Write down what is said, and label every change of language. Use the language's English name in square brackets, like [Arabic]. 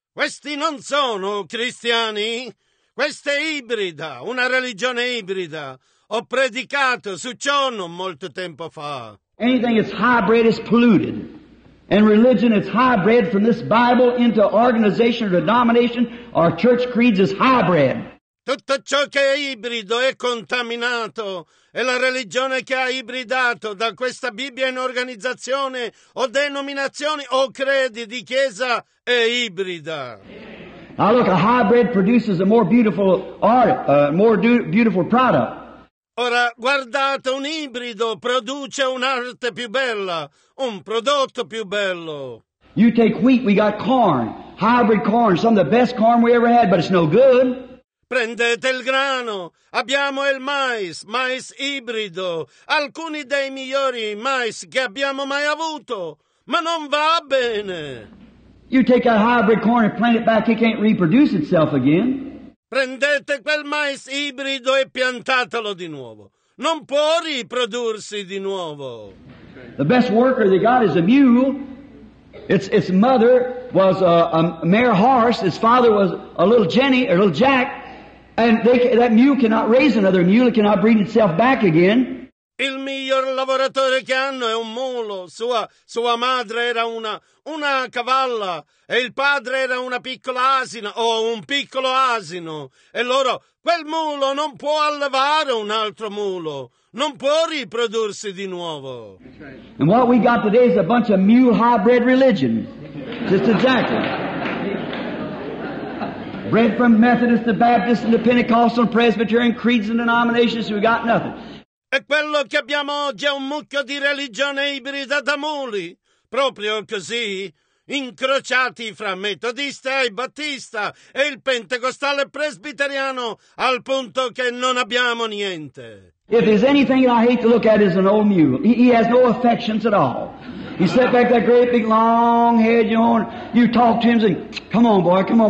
[Italian] Questi non sono cristiani, questa è ibrida, una religione ibrida. Ho predicato su ciò non molto tempo fa. [English] Anything that's hybrid is polluted. And religion is hybrid from this Bible into organization or denomination or church creeds is hybrid. [Italian] Tutto ciò che è ibrido è contaminato. E la religione che ha ibridato da questa Bibbia in organizzazione o denominazioni o credi di chiesa è ibrida. [English] Now look, a hybrid produces a more beautiful beautiful product. [Italian] Ora, guardate, un ibrido produce un'arte più bella, un prodotto più bello. [English] You take wheat, we got corn, hybrid corn, some of the best corn we ever had, but it's no good. [Italian] Prendete il grano, abbiamo il mais, mais ibrido, alcuni dei migliori mais che abbiamo mai avuto, ma non va bene. [English] You take that hybrid corn and plant it back, it can't reproduce itself again. [Italian] Prendete quel mais ibrido e piantatelo di nuovo. Non può riprodursi di nuovo. [English] The best worker they got is a mule. Its mother was a mare horse. Its father was a little Jenny, a little Jack. And that mule cannot raise another mule. It cannot breed itself back again. [Italian] Il miglior lavoratore che hanno è un mulo. Sua madre era una cavalla e il padre era una piccola asina o un piccolo asino. E loro, quel mulo non può allevare un altro mulo. Non può riprodursi di nuovo. [English] And what we got today is a bunch of mule hybrid religion. Just exactly. Bred from Methodist to Baptist and to Pentecostal and Presbyterian creeds and denominations, we got nothing. [Italian] E quello che abbiamo oggi è un mucchio di religione ibrida da muli, proprio così, incrociati fra metodista e battista e il pentecostale presbiteriano, al punto che non abbiamo niente. [English] If there's anything I hate to look at is an old mule. He has no affections at all. He sat back that great big long head, you know, you talk to him and say, come on boy,